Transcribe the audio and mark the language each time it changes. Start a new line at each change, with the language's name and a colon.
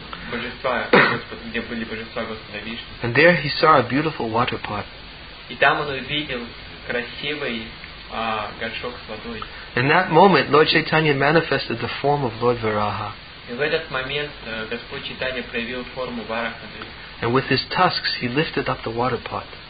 Russian: Божества, где были божества Господа Вишну.
English: And there he saw a beautiful water pot.
Russian: И там он увидел красивый горшок с водой.
English: In that moment, Lord Chaitanya manifested the form of Lord Varaha.
Russian: И в этот момент Господь Чайтанья проявил форму Вараха.
English: And with his tusks, he lifted up the water pot.